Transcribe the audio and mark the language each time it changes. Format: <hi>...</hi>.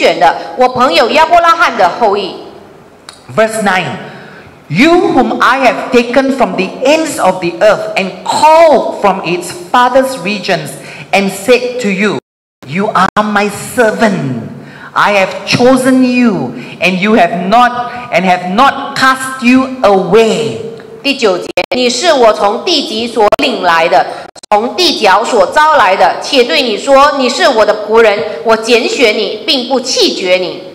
<zh>第八节，唯你以色列，我的仆人雅各，我所拣选的，我朋友亚伯拉罕的后裔。</zh> <en>Verse 9, you whom I have taken from the ends of the earth and called from its father's regions and said to you, you are my servant. I have chosen you and you have not and have not cast you away.</en> <zh>第九节，你是我从地极所领来的，从地角所招来的，且对你说，你是我的仆人，我拣选你，并不弃绝你。</zh>